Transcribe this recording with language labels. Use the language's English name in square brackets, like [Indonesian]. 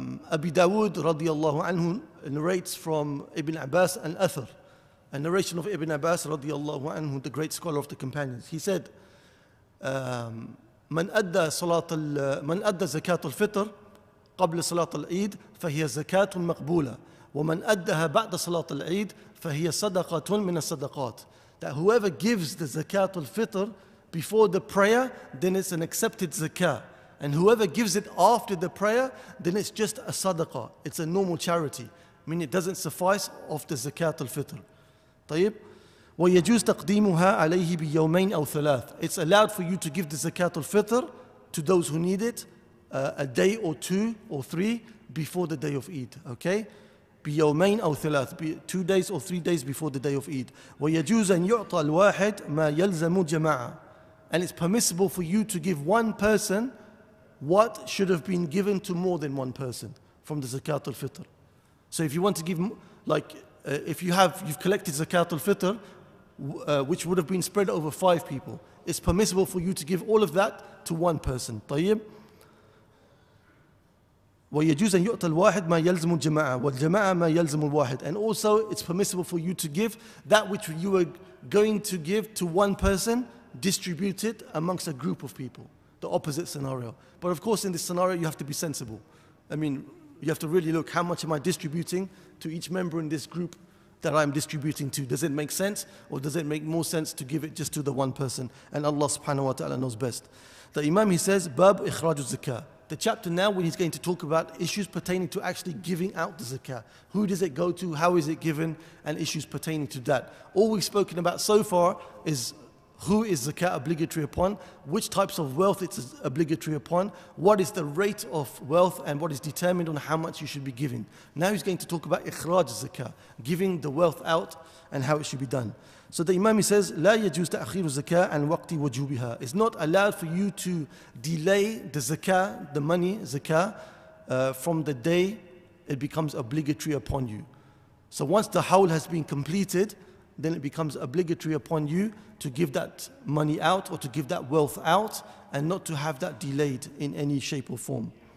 [English] Abi Dawood radiallahu anhu narrates from Ibn Abbas and Athar, a narration of Ibn Abbas radiallahu anhu, the great scholar of the companions. He said, [Arabic] من أدى زكاة الفطر قبل صلاة العيد فهي زكاة مقبولة ومن أدها بعد صلاة العيد فهي صدقة من الصدقات. [English] That whoever gives the zakat al-fitr before the prayer, then it's an accepted zakah. And whoever gives it after the prayer, then it's just a sadaqah. It's a normal charity. I mean, it doesn't suffice of the zakat al-fitr. [Arabic] طيب. ويجوز تقديمها عليه بيومين أو ثلاث. [English] It's allowed for you to give the zakat al-fitr to those who need it a day or two or three before the day of Eid. Okay? [Arabic] بيومين أو ثلاث. [English] 2 days or 3 days before the day of Eid. [Arabic] ويجوز أن يعطى الواحد ما يلزم جماعة. [English] And it's permissible for you to give one person what should have been given to more than one person from the zakat al-fitr. So if you want to give, like, if you've collected zakat al-fitr, which would have been spread over 5 people, it's permissible for you to give all of that to one person. [Arabic] طيب. ويجوز أن يعطى الواحد ما يلزم الجماعة والجماعة ما يلزم الواحد. [English] And also, it's permissible for you to give that which you were going to give to one person, distribute it amongst a group of people. The opposite scenario. But of course, in this scenario, you have to be sensible. I mean, you have to really look, how much am I distributing to each member in this group that I'm distributing to? Does it make sense? Or does it make more sense to give it just to the one person? And Allah subhanahu wa ta'ala knows best. The Imam, he says, Bab ikhraju zakah. The chapter now, when he's going to talk about issues pertaining to actually giving out the zakah. Who does it go to? How is it given? And issues pertaining to that. All we've spoken about so far is who is zakat obligatory upon, which types of wealth it's obligatory upon, what is the rate of wealth, and what is determined on how much you should be giving. Now he's going to talk about ikhraj zakat, giving the wealth out and how it should be done. So the Imam says, [Arabic] لا يجوز تأخير الزكاة عن وقت وجوبها. [English] It's not allowed for you to delay the zakat, the money, zakat, from the day it becomes obligatory upon you. So once the hawl has been completed, then it becomes obligatory upon you to give that money out or to give that wealth out and not to have that delayed in any shape or form.